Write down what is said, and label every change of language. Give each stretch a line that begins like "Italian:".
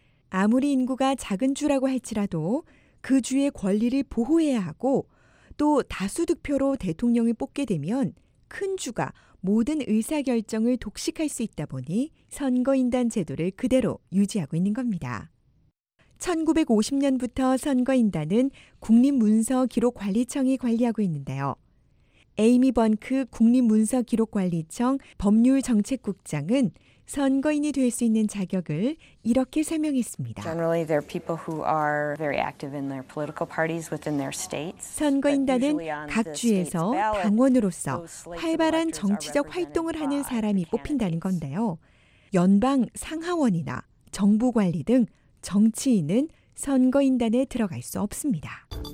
Korean: 아무리 인구가 작은 주라고 할지라도 그 주의 권리를 보호해야 하고 또 다수 득표로 대통령을 뽑게 되면 큰 주가 모든 의사결정을 독식할 수 있다 보니 선거인단 제도를 그대로 유지하고 있는 겁니다. 1950년부터 선거인단은 국립문서기록관리청이 관리하고 있는데요. 에이미 번크 국립문서기록관리청 법률정책국장은 선거인이 될 수 있는 자격을 이렇게 설명했습니다.
English: Generally, there are people who are very active in their political parties within their states.
Korean: 선거인단은 각 주에서 당원으로서 활발한 정치적 활동을 하는 사람이 뽑힌다는 건데요. 연방 상하원이나 정부 관리 등 정치인은 선거인단에 들어갈 수 없습니다.